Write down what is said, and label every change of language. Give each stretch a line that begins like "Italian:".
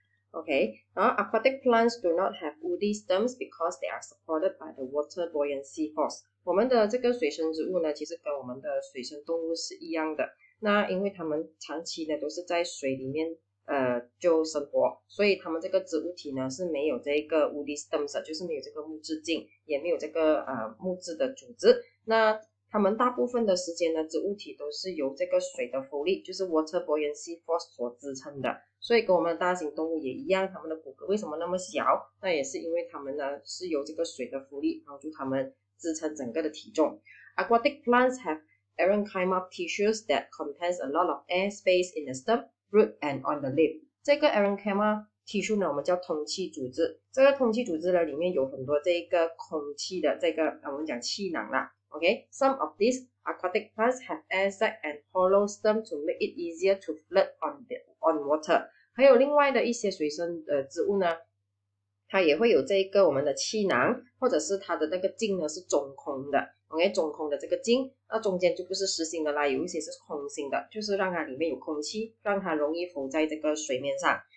English: OK， 然后 aquatic plants do not have woody stems because they are supported by the water buoyant sea horse。
Chinese: 我们的这个水生植物呢，其实跟我们的水生动物是一样的，那因为它们长期呢都是在水里面就生活，所以他们这个植物体呢是没有这个 woody stems， 就是没有这个木质茎，也没有这个木质的组织。那他们大部分的时间呢，植物体都是由这个水的浮力，就是 water buoyancy force 所支撑的。所以跟我们的大型动物也一样，他们的骨骼为什么那么小？那也是因为他们呢是由这个水的浮力帮助他们支撑整个的体重。
English: Aquatic plants have parenchymal tissues that contains a lot of air space in the stem. Root and on the leaf，
Chinese: 这个 parenchyma tissue 呢，我们叫通气组织。这个通气组织呢，里面有很多这个空气的这个，我们讲气囊啦。
English: OK， some of these aquatic plants have air sac and hollow stem to make it easier to float on water。
Chinese: 还有另外的一些水生的植物呢，它也会有这个我们的气囊，或者是它的那个茎呢是中空的。 OK， 中空的这个茎，那中间就不是实心的啦，有一些是空心的，就是让它里面有空气，让它容易浮在这个水面上。